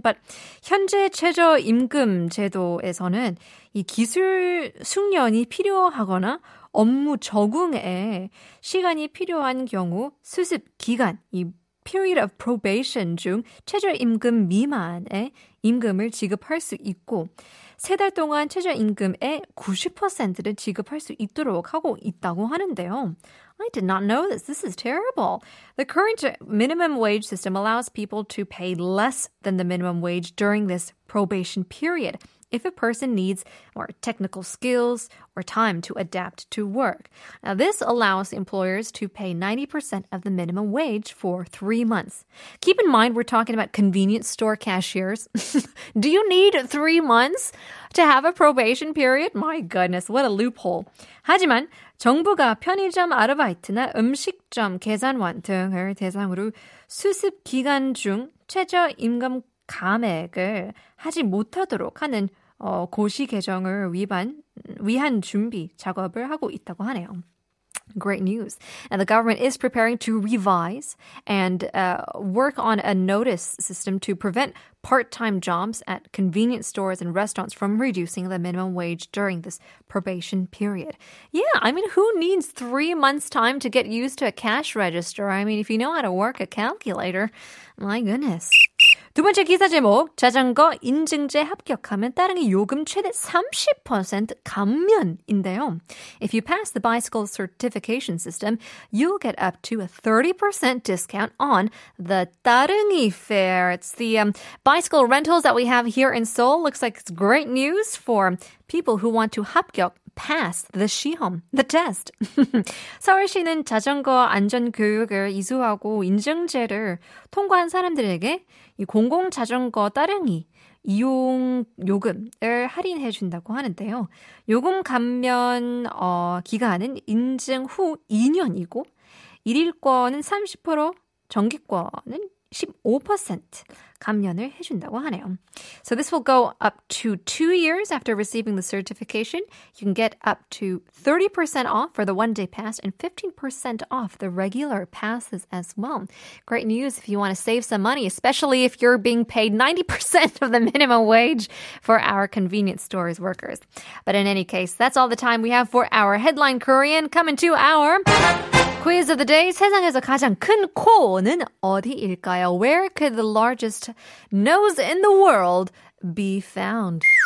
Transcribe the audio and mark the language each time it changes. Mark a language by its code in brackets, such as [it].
[ko] But 현재 최저임금 제도에서는 이 기술 숙련이 필요하거나 업무 적응에 시간이 필요한 경우 수습 기간, 이 [en] period of probation [ko] 중 최저임금 미만의 임금을 지급할 수 있고 세 달 동안 최저임금의 90%를 지급할 수 있도록 하고 있다고 하는데요. [en] I did not know this. This is terrible. The current minimum wage system allows people to pay less than the minimum wage during this probation period if a person needs more technical skills or time to adapt to work. Now, this allows employers to pay 90% of the minimum wage for 3 months. Keep in mind, we're talking about convenience store cashiers. Do you need 3 months to have a probation period? My goodness, what a loophole. [ko] 하지만 정부가 편의점 아르바이트나 음식점 계산원 등을 대상으로 수습 기간 중 최저임금 감액을 하지 못하도록 하는 고시 개정을 위한 준비 작업을 하고 있다고 하네요. [en] Great news. And the government is preparing to revise and work on a notice system to prevent part-time jobs at convenience stores and restaurants from reducing the minimum wage during this probation period. Yeah, I mean, who needs 3 months' time to get used to a cash register? I mean, if you know how to work a calculator, my goodness. [ko] 두 번째 기사 제목, 자전거 인증제 합격하면 따릉이 요금 최대 30% 감면인데요. [en] If you pass the bicycle certification system, you'll get up to a 30% discount on the 따릉이 fare. It's the bicycle rentals that we have here in Seoul. Looks like it's great news for people who want to [ko] 합격. [en] Pass the [ko] 시험, [en] the test. [ko] 서울시는 자전거 안전 교육을 이수하고 인증제를 통과한 사람들에게 이 공공 자전거 따릉이 이용 요금을 할인해 준다고 하는데요. 요금 감면 기간은 인증 후 2년이고 일일권은 30%, 전기권은 15% 감면을 해준다고 하네요. [en] So this will go up to 2 years after receiving the certification. You can get up to 30% off for the one-day pass and 15% off the regular passes as well. Great news if you want to save some money, especially if you're being paid 90% of the minimum wage for our convenience stores workers. But in any case, that's all the time we have for our Headline Korean. Coming to our... Quiz of the day. [ko] 세상에서 가장 큰 코는 어디일까요? [en] Where could the largest nose in the world be found?